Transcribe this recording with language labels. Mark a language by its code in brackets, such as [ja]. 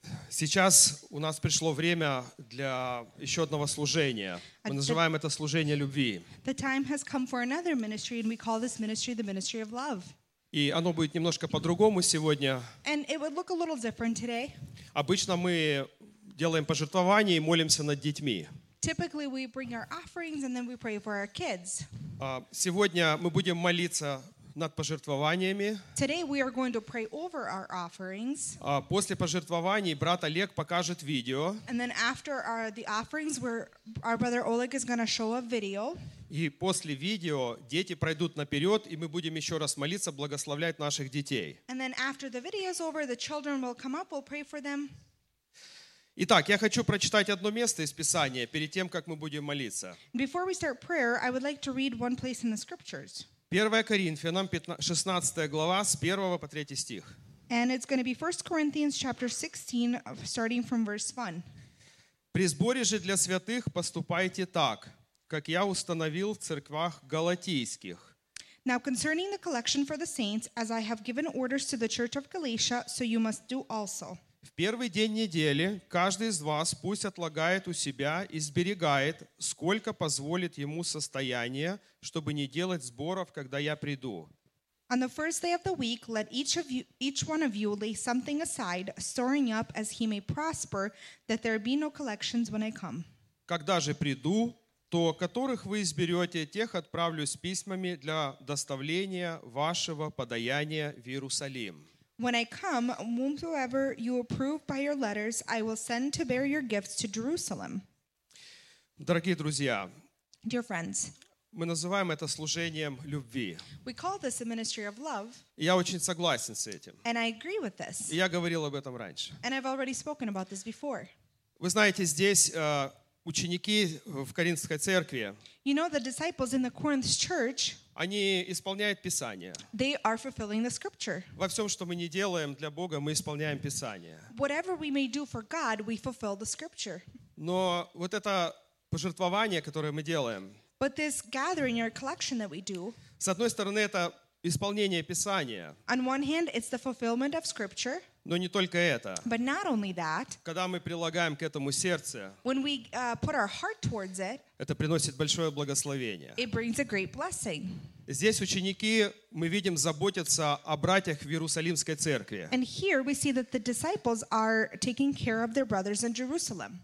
[ru] Сейчас у нас пришло время для еще одного служения. Мы называем это служение любви. [en] The time has come for another ministry, and we call this ministry the ministry of love. [ru] И оно будет немножко по-другому сегодня. [en] And it would look a little different today. [ru] Обычно мы делаем пожертвования и молимся над детьми. [en] Typically, we bring our offerings and then we pray for our kids. [ru] Сегодня мы будем молиться над пожертвованиями. [en] Today we are going to pray over our offerings. [ru] После пожертвований брат Олег покажет видео. [en] And then after the offerings, our brother Oleg is going to show a video. [ru] И после видео дети пройдут наперед, и мы будем еще раз молиться, благословлять наших детей. [en] And then after the video is over, the children will come up, we'll pray for them. [ru] Итак, я хочу прочитать одно место из Писания перед тем, как мы будем молиться. [en] Before we start prayer, I would like to read one place in the scriptures. [ru] 1 Коринфянам 16 глава с 1 по 3 стих. [en] And it's going to be 1 Corinthians chapter 16, starting from verse 1. [ru] При сборе же для святых поступайте так, как я установил в церквах галатийских. [en] Now concerning the collection for the saints, as I have given orders to the church of Galatia, so you must do also. [ru] В первый день недели каждый из вас пусть отлагает у себя и сберегает, сколько позволит ему состояние, чтобы не делать сборов, когда я приду. [en] On the first day of the week, let each one of you lay something aside, storing up as he may prosper, that there be no collections when I come. [ru] Когда же приду, то которых вы изберете, тех отправлю с письмами для доставления вашего подаяния в Иерусалим. [en] When I come, whomsoever you approve by your letters, I will send to bear your gifts to Jerusalem. [ru] Дорогие друзья, [en] dear friends, [ru] мы называем это служением любви. [en] We call this a ministry of love. [ru] Я очень согласен с этим. [en] And I agree with this. [ru] Я говорил об этом раньше. [en] And I've already spoken about this before. [ru] Вы знаете, здесь ученики в Коринфской церкви. [en] You know, the disciples in the Corinth church. [ru] Они исполняют Писание. [en] They are fulfilling the scripture. [ru] Во всем, что мы не делаем для Бога, мы исполняем Писание. [en] Whatever we may do for God, we fulfill the scripture. [ru] Но вот это пожертвование, которое мы делаем. [en] But this gathering or collection that we do. [ru] С одной стороны, это исполнение Писания. [en] On one hand, it's the fulfillment of scripture. [ru] Но не только это. [en] But not only that. [ru] Когда мы прилагаем к этому сердце. [en] When we put our heart towards it. [ru] Это приносит большое благословение. [en] It brings a great blessing. [ru] Здесь ученики, мы видим, заботятся о братьях в Иерусалимской церкви. [en] And here we see that the disciples are taking care of their brothers in Jerusalem.